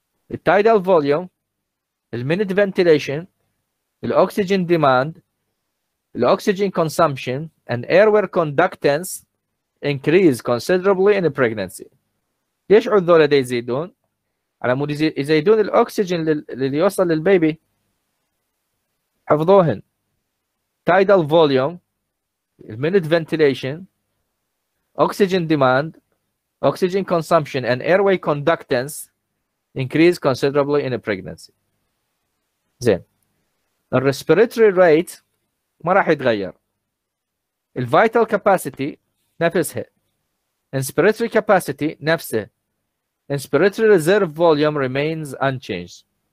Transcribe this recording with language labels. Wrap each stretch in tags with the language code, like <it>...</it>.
<en>التايدال فوليوم، المينت فنتيليشن، الاكسجين ديماند، الاكسجين consumption, and airway conductance increase considerably in pregnancy.</en> <ar>ليش عذولة دي يزيدون؟ على مود يزيدون الاكسجين اللي يوصل للبيبي. حفظوهن.</ar> <en>Tidal volume, minute ventilation, oxygen demand, oxygen consumption, and airway conductance increase considerably in a pregnancy.</en> <ar>زين.</ar> <en>The respiratory rate</en> <ar>ما راح يتغير.</ar> <en>The vital capacity</en> <ar>نفسها.</ar> <en>Inspiratory capacity نفسها. Inspiratory reserve volume remains unchanged.</en>